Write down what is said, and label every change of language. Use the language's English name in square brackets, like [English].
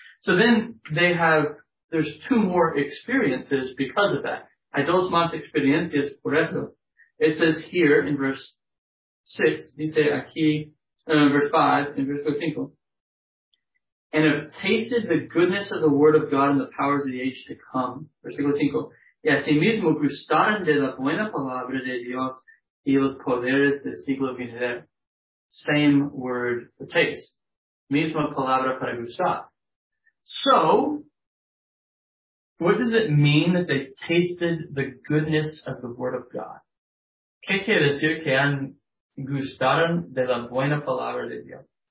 [English] So then they have, there's two more experiences because of that. [Spanish] Hay dos más experiencias por eso. [English] It says here in verse 6, [Spanish] dice aquí, [English] verse 5, in verse 5, and have tasted the goodness of the word of God and the powers of the age to come. [Spanish] Versículo 5. Y asimismo gustaron de la buena palabra de Dios y los poderes del siglo venidero. [English] Same word for taste. [Spanish] Misma palabra para gustar. [English] So, what does it mean that they tasted the goodness of the Word of God? [Spanish] ¿Qué quiere decir que han gustado de la buena palabra de Dios?